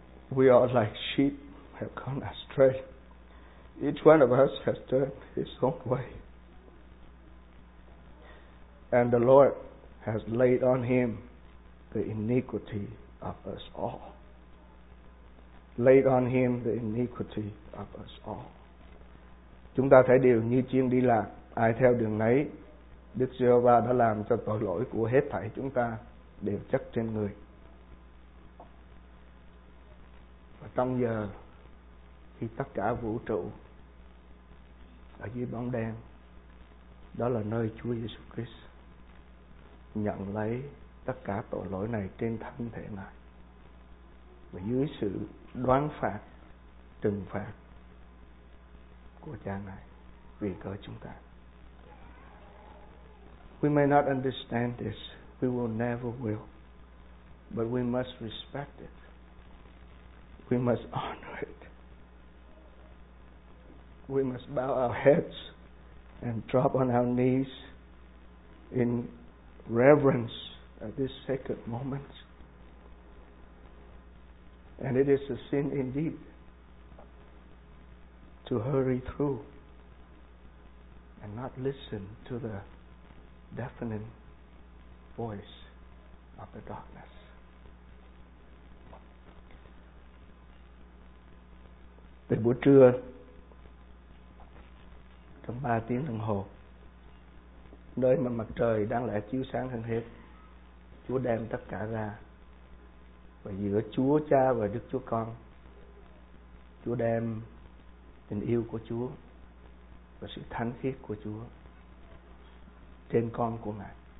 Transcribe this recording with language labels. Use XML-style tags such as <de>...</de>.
<en>We are like sheep have gone astray. Each one of us has turned his own way. And the Lord has laid on him the iniquity of us all. Laid on him the iniquity of us all.</en> <vi>Chúng ta thấy điều như chiên đi lạc, ai theo đường nấy. Đức Giê-hô-va đã làm cho tội lỗi của hết thảy chúng ta đều chất trên người. Và trong giờ khi tất cả vũ trụ ở dưới bóng đen, đó là nơi Chúa Giê-xu Christ nhận lấy tất cả tội lỗi này trên thân thể này, và dưới sự đoán phạt, trừng phạt của Cha này vì cớ chúng ta.</vi> <en>We may not understand this, we will never will, but we must respect it, we must honor it, we must bow our heads and drop on our knees in reverence at this sacred moment. And it is a sin indeed to hurry through and not listen to the deafening voice of the darkness.</en> <vi>Từ buổi trưa, trong 3 tiếng đồng hồ, nơi mà mặt trời đáng lẽ chiếu sáng hơn hết, Chúa đem tất cả ra. Và giữa Chúa Cha và Đức Chúa Con, Chúa đem tình yêu của Chúa và sự thánh khiết của Chúa trên con của Ngài.</vi>